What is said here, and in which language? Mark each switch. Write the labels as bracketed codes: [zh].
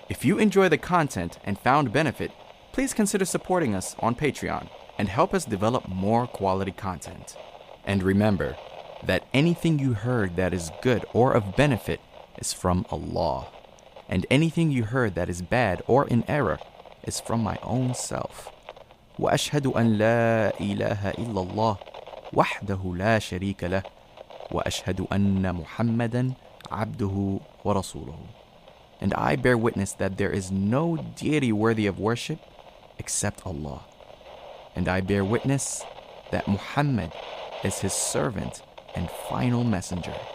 [en] If you enjoy the content and found benefit, please consider supporting us on Patreon and help us develop more quality content. And remember that anything you heard that is good or of benefit is from Allah, and anything you heard that is bad or in error is from my own self. [ar] وأشهد أن لا إله إلا الله وحده لا شريك له وأشهد أن محمدا عبده ورسوله. [en] And I bear witness that there is no deity worthy of worship except Allah. And I bear witness that Muhammad is his servant and final messenger.